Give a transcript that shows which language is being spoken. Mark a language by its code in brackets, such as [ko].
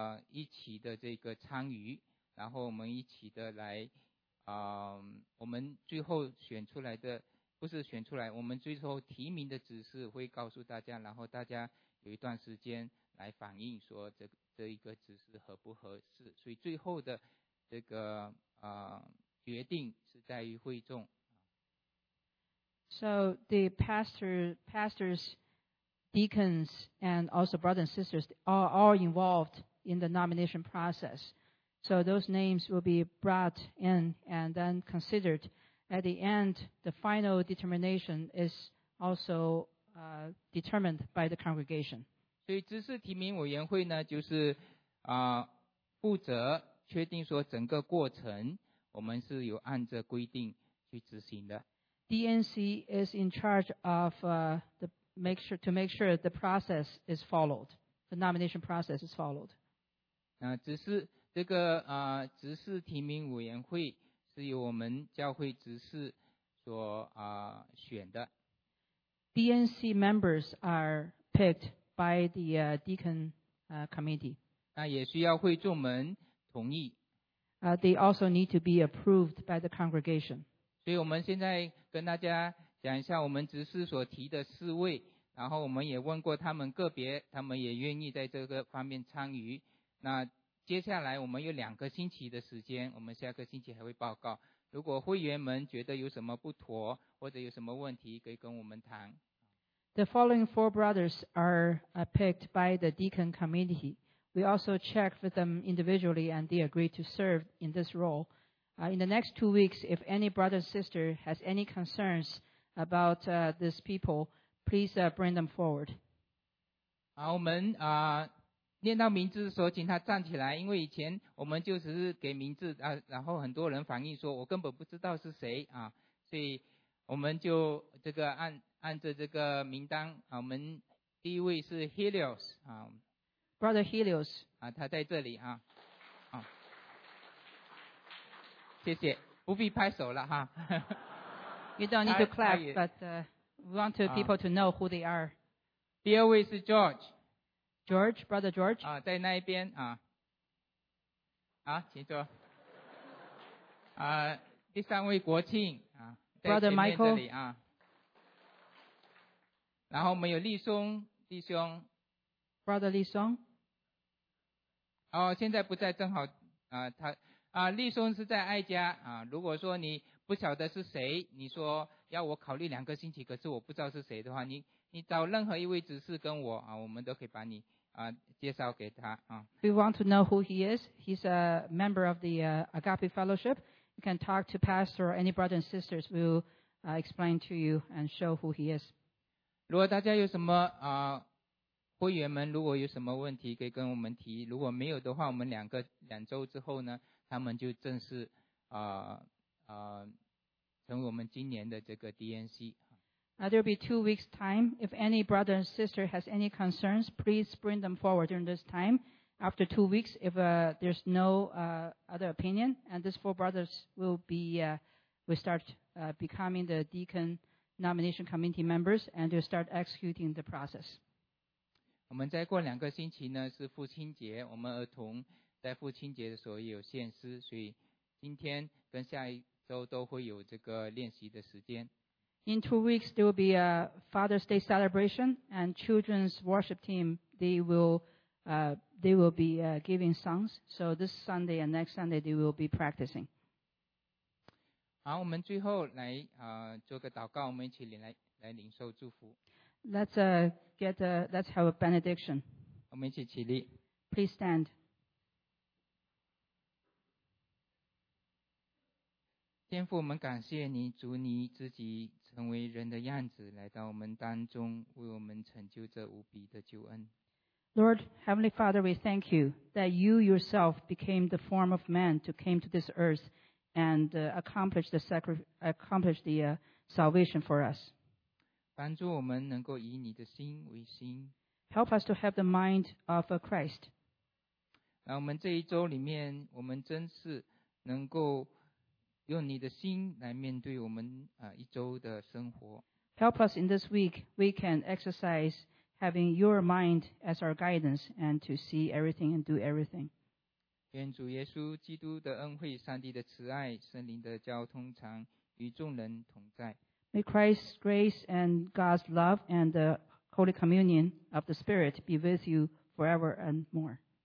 [zh] 一起的这个参与，然后我们一起的来我们最后选出来的，不是选出来，我们最后提名的指示会告诉大家，然后大家有一段时间来反映说这一个指示合不合适，所以最后的这个决定是在于会众。 [en] So the pastors Deacons and also brothers and sisters are all involved in the nomination process. So those names will be brought in and then considered. At the end, the final determination is also determined by the congregation. [zh] 所以执事提名委员会呢，就是负责确定说整个过程我们是有按着规定去执行的。 [en] DNC is in charge of make sure the process is followed, the nomination process is followed. [zh] 只是这个执事提名委员会是由我们教会执事所选的。 [en] DNC members are picked by the deacon committee. [zh] 那也需要会众们同意。 [en] They also need to be approved by the congregation. [zh] 所以我们现在跟大家讲一下我们执事所提的四位，然后我们也问过他们个别，他们也愿意在这个方面参与。那接下来我们有两个星期的时间，我们下个星期还会报告。如果会员们觉得有什么不妥或者有什么问题，可以跟我们谈。 [en] The following four brothers are picked by the deacon committee. We also check with them individually and they agree to serve in this role. In the next 2 weeks, if any brother or sister has any concerns about these people, please bring them forward. [zh] 好，我们念到名字的时候请他站起来，因为以前我们就只是给名字然后很多人反映说我根本不知道是谁所以我们就这个按着这个名单我们第一位是 Helios [en] Brother Helios [zh] 他在这里谢谢，不必拍手了 [en] You don't need to clap but we want people to know who they are. [zh] 第二位是 George [en] George, Brother George. [zh] 在那一边请坐。第三位国庆 [en] Brother Michael. [zh] 这里然后我们有立松弟兄。 [en] Brother 立松。 [zh] 现在不在，正好立松是在爱家如果说你不晓得是谁，你说要我考虑两个星期，可是我不知道是谁的话，你找任何一位执事跟我我们都可以把你。介绍给他 [en] We want to know who he is. He's a member of the Agape Fellowship. You can talk to pastor or any brothers and sisters. We'll explain to you and show who he is. [zh] 如果大家有什么会员们如果有什么问题可以跟我们提，如果没有的话，我们两周之后呢，他们就正式成为我们今年的这个 DNC。 [en] There will be 2 weeks' time. If any brother and sister has any concerns, please bring them forward during this time. After 2 weeks, if there's no other opinion, and these four brothers will start becoming the deacon nomination committee members, and they'll start executing the process. [zh] 我们再过两个星期呢是父亲节，我们儿童在父亲节的时候也有献诗，所以今天跟下一周都会有这个练习的时间。 [en] In 2 weeks, there will be a Father's Day celebration, and children's worship team, they will be giving songs. So this Sunday and next Sunday, they will be practicing. [zh] 好，我们最后来做个祷告，我们一起来领受祝福。 [en] Let's have a benediction. [zh] 我们一起起立。 [en] Please stand. [zh] 天父，我们感谢你，主你自己。成为人的样子来到我们当中，为我们成就这无比的救恩。 [en] Lord, Heavenly Father, we thank you that you yourself became the form of man to came to this earth and accomplish the salvation for us. [zh] 帮助我们能够以你的心为心。 [en] Help us to have the mind of Christ. [zh] 让我们这一周里面，我们真是能够。用你的心来面对我们一周的生活。 [en] Help us in this week, we can exercise having your mind as our guidance and to see everything and do everything. [zh] 愿主耶稣基督的恩惠、上帝的慈爱、圣灵的交通常与众人同在。 [en] May Christ's grace and God's love and the holy communion of the Spirit be with you forever and more.